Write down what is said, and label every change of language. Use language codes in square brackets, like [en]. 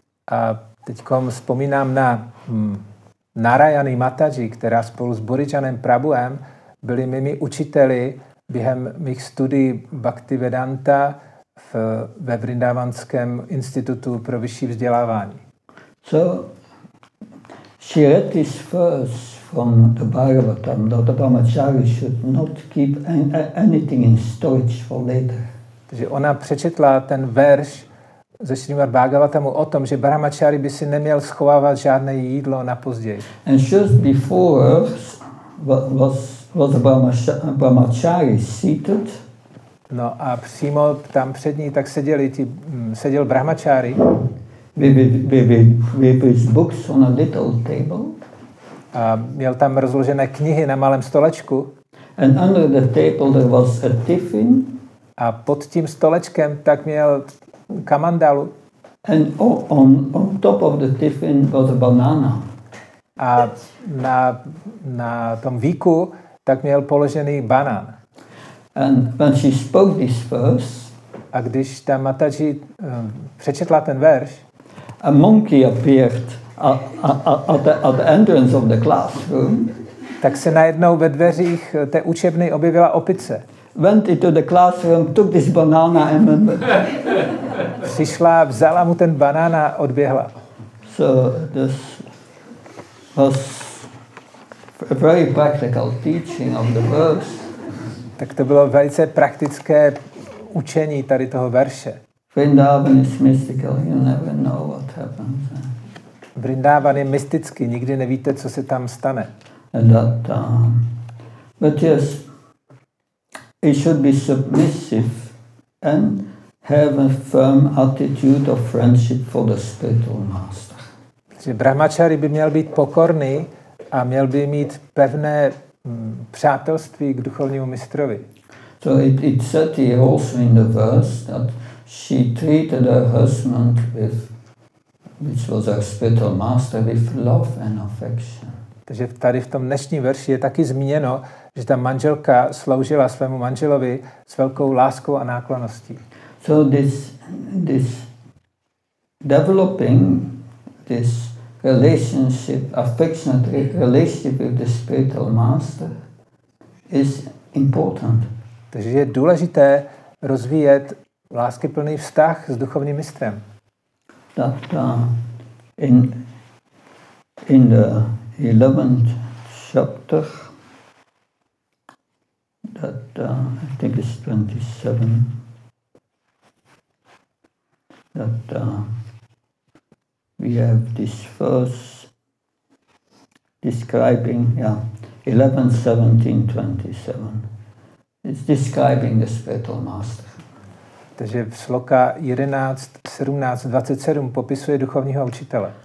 [cs] A teďkom vzpomínám na Narayani Mataji, která spolu s Purijanem Prabhuem byli mými učiteli během mých studií Bhaktivedanta ve Vrindavanském institutu pro vyšší vzdělávání. [en] So, she read this verse from the Bhagavatam that the brahmachari should not keep anything in storage for later. [cs] Takže ona přečetla ten verš ze Srimad Bhagavatamu o tom, že brahmachari by si neměl schovávat žádné jídlo na později. [en] And just before was brahmachari seated. [cs] No a přímo tam před ní tak seděli ti, seděl brahmachari. [en] With books on a little table. [cs] A měl tam rozložené knihy na malém stolečku. [en] And under the table there was a tiffin. [cs] A pod tím stolečkem tak měl kamandalu. [en] And on top of the tiffin was a banana. [cs] A na tom víku tak měl položený banán. [en] And when she spoke this verse, [cs] a když ta Mataji přečetla ten verš, [en] a monkey appeared at the entrance of the classroom. [cs] Tak se najednou ve dveřích té učebny objevila opice. [en] Went into the classroom, took this banana and went. [cs] Přišla, vzala mu ten banán a odběhla. [en] So this was a very practical teaching of the verse. [cs] Tak to bylo velice praktické učení tady toho verše. [en] Vrindavan is mystical, you never know what happens. [cs] Vrindavan je mystický, nikdy nevíte, co se tam stane. [en] That, but yes, it should be submissive and have a firm attitude of friendship for the spiritual master. [cs] Že brahmačary by měl být pokorný a měl by mít pevné přátelství k duchovnímu mistrovi. [en] So it said here also in the verse that she treated her husband with, which was her spiritual master, with love and affection. [cs] Takže tady v tom dnešním verši je taky zmíněno, že ta manželka sloužila svému manželovi s velkou láskou a náklonností. [en] So this developing this relationship, affectionate relationship with the spiritual master is important. [cs] Takže je důležité rozvíjet láskyplný vztah s duchovním mistrem. [en] That in the 11th chapter, that I think it's 27, that we have this verse describing, 11:17-27, it's describing the spiritual master. [cs] Takže v sloka 11:17-27 popisuje duchovního učitele.